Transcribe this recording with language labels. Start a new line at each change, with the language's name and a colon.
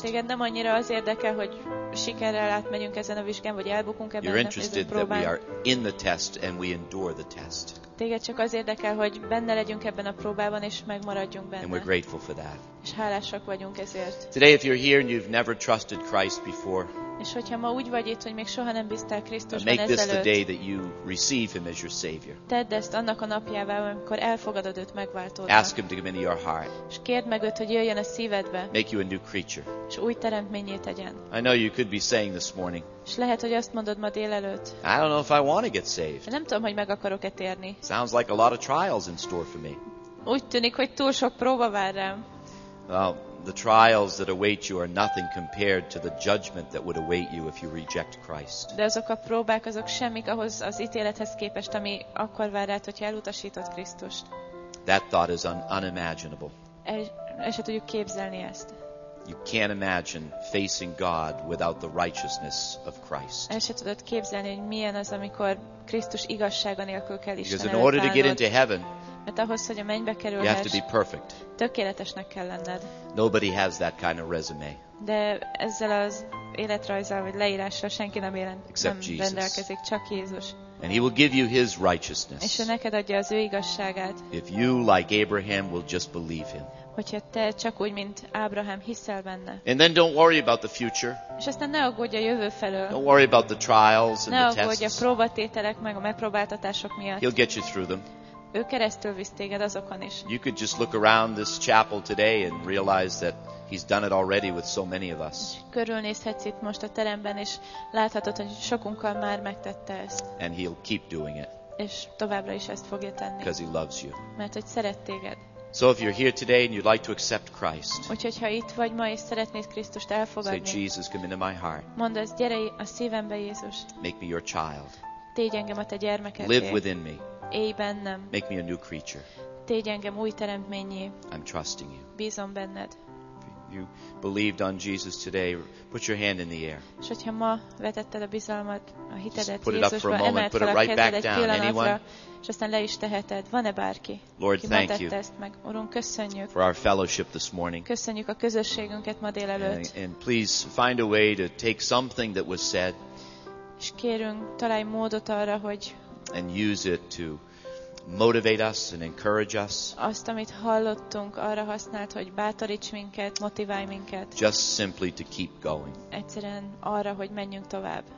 Hungarian: Téged nem annyira az érdekel, hogy sikerrel átmegyünk ezen a vizsgán, vagy elbukunk ebben a próbán.
English: You're interested that we are in the test and we endure the test.
Hungarian: Téged csak az érdekel, hogy benne legyünk ebben a próbában, és megmaradjunk benne.
English: And we're grateful for that.
Hungarian: És hálásak vagyunk ezért.
English: Today, if you're here and you've never trusted Christ before,
Hungarian: és hogyha ma úgy vagy itt, hogy még soha nem bíztál Krisztusban
English: make
Hungarian: ezelőtt,
English: this the day that you receive him as your savior.
Hungarian: Tedd ezt annak a napjával, amikor elfogadod őt megváltódnak.
English: Ask him to come into your heart.
Hungarian: És kérd meg őt, hogy jöjjön a szívedbe.
English: Make you a new creature.
Hungarian: És új teremtményé tegyen.
English: I know you could be saying this morning.
Hungarian: És lehet, hogy azt mondod ma délelőtt.
English: I don't know if I want to get saved.
Hungarian: Nem tudom, hogy meg akarok-e térni.
English: Sounds like a lot of trials in store for me.
Hungarian: Úgy tűnik, hogy túl sok próba vár rám.
English: Well, the trials that await you are nothing compared to the judgment that would await you if you reject Christ.
Hungarian: De azok a próbák, azok semmik ahhoz az ítélethez képest, ami akkor vár rád, hogyha elutasítod Krisztust.
English: That thought is unimaginable.
Hungarian: El se tudjuk képzelni ezt.
English: You can't imagine facing God without the righteousness of Christ.
Hungarian: El se tudod képzelni, hogy milyen az, amikor Krisztus igazsága nélkül kell Isten előtt állnod.
English: Because in order to get into heaven,
Hungarian: mert ahhoz, hogy a mennybe kerülhess,
English: you have to be perfect.
Hungarian: Tökéletesnek kell lenned.
English: Nobody has that kind of resume.
Hungarian: De ezzel az életrajzzal vagy leírással senki nem élen,
English: except
Hungarian: nem rendelkezik,
English: Jesus.
Hungarian: Csak Jézus.
English: And he will give you his righteousness.
Hungarian: És ő neked adja az ő igazságát.
English: If you, like Abraham, will just believe him.
Hungarian: Hogyha te csak úgy, mint Ábrahám, hiszel benne.
English: And then don't worry about the future.
Hungarian: És aztán ne aggódj a jövő felől.
English: Don't worry about the trials and
Hungarian: ne
English: the tests.
Hungarian: Ne aggódj a próbatételek meg a megpróbáltatások miatt.
English: He'll get you through them.
Hungarian: Ő keresztül visz téged azokon is.
English: You could just look around this chapel today and realize that he's done it already with so many of us.
Hungarian: Körülnézhetsz itt most a teremben, és láthatod, hogy sokunkkal már megtette ezt.
English: And he'll keep doing it.
Hungarian: És továbbra is ezt fogja tenni.
English: Because he loves you.
Hungarian: Mert hogy szeret téged.
English: So if you're here today and you'd like to accept Christ.
Hungarian: Úgyhogy ha itt vagy ma és szeretnéd Krisztust elfogadni.
English: Say, Jesus, come into my heart.
Hungarian: Mondd ezt, gyere a szívembe, Jézus.
English: Make me your child.
Hungarian: Tégy engem a te gyermekeddé.
English: Live within me.
Hungarian: Élj bennem.
English: Make me a new creature.
Hungarian: Tégy engem új teremtményé.
English: I'm trusting you.
Hungarian: Bízom benned.
English: You believed on Jesus today. Put your hand in the air.
Hungarian: És hogyha ma vetetted a bizalmat, a hitedet Jézusba, emeld fel a kezedet egy pillanatra, és aztán le is teheted. Van-e bárki,
English: Lord,
Hungarian: aki
English: thank you.
Hungarian: Ezt meg? Urunk, köszönjük.
English: For our fellowship this morning.
Hungarian: Köszönjük a közösségünket ma délelőtt.
English: And please find a way to take something that was said.
Hungarian: És kérünk, találj módot arra, hogy
English: and use it to motivate us and encourage us.
Hungarian: Azt, amit hallottunk, arra használt, hogy bátoríts minket, motiválj minket.
English: Just simply to keep going.
Hungarian: Egyszerűen arra, hogy menjünk tovább.